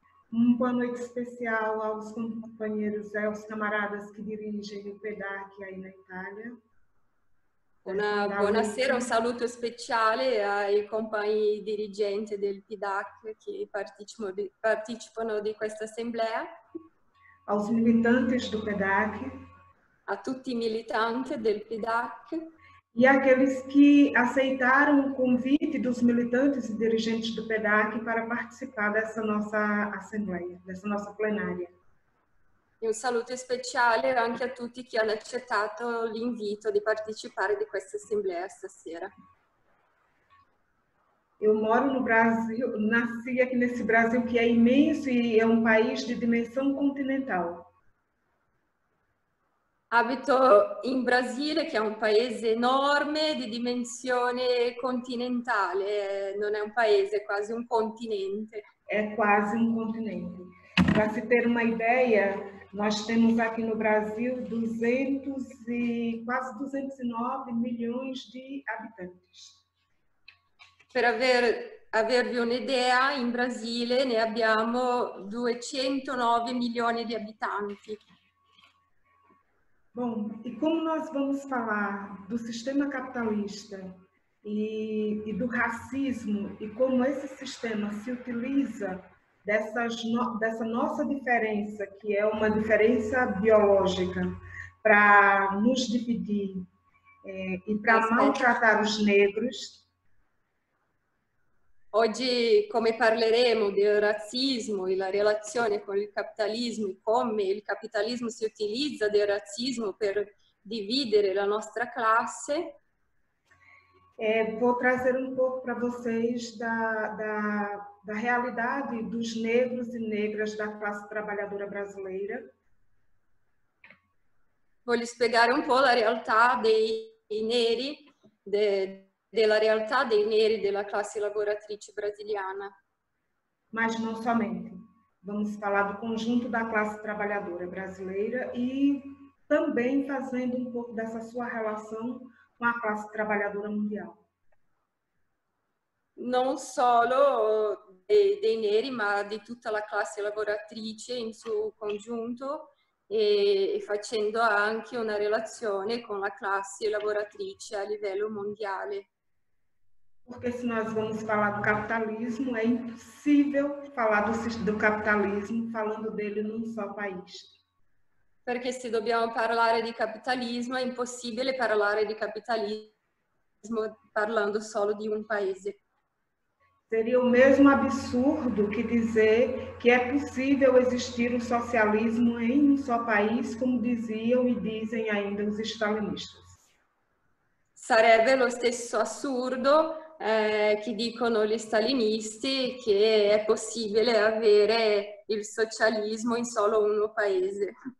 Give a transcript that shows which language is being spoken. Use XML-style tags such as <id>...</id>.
<pt>Boa noite especial aos companheiros e aos camaradas que dirigem o PDAC aí na Itália.</pt> <it>Buonasera, un saluto speciale ai compagni dirigenti del PDAC che partecipano di questa assemblea.</it> <pt>Aos militantes do PDAC.</pt> <it>A tutti i militanti del PDAC.</it> <pt>E aqueles que aceitaram o convite dos militantes e dirigentes do PDAC para participar dessa nossa assembleia, dessa nossa plenária.</pt> <it>Un saluto speciale anche a tutti che hanno accettato l'invito di partecipare di questa assemblea stasera.</it> <pt>Eu moro no Brasil, nasci aqui nesse Brasil que é imenso e é um país de dimensão continental.</pt> <it>Abito in Brasile, che è un paese enorme di dimensione continentale, non è un paese, è quasi un continente.</it> <pt>É quase um continente. Para se ter uma ideia, nós temos aqui no Brasil 200 e quase 209 milhões de habitantes.</pt> <it>Per avervi un'idea, in Brasile ne abbiamo 209 milioni di abitanti.</it> <pt>Bom, e como nós vamos falar do sistema capitalista e do racismo e como esse sistema se utiliza dessa nossa diferença, que é uma diferença biológica, para nos dividir e para maltratar os negros.</pt> <it>Oggi, come parleremo del razzismo e la relazione con il capitalismo e come il capitalismo si utilizza del razzismo per dividere la nostra classe?</it> <pt>Vou trazer um pouco para vocês da realidade dos negros e negras da classe trabalhadora brasileira.</pt> <it>Voglio spiegare un po' la realtà dei neri. Della realtà dei neri della classe lavoratrice brasiliana. Ma non solamente,</it> <pt>vamos falar do conjunto da classe trabalhadora brasileira e também fazendo</pt> <it>un po'</it> <pt>dessa sua relação com a classe trabalhadora mundial.</pt> <it>Non solo dei neri, ma di tutta la classe lavoratrice in suo conjunto e facendo anche una relazione con la classe lavoratrice a livello mondiale.</it> <pt>Porque se nós vamos falar do capitalismo, é impossível falar do capitalismo falando dele num só país.</pt> <it>Porque se dobbiamo parlare di capitalismo, è impossibile parlare di capitalismo parlando solo di un paese.</it> <pt>Seria o mesmo absurdo que dizer que é possível existir um socialismo em um só país, como diziam e dizem ainda os stalinistas.</pt> <it>Sarebbe lo stesso assurdo che dicono gli stalinisti che è possibile avere il socialismo in solo uno paese.</it>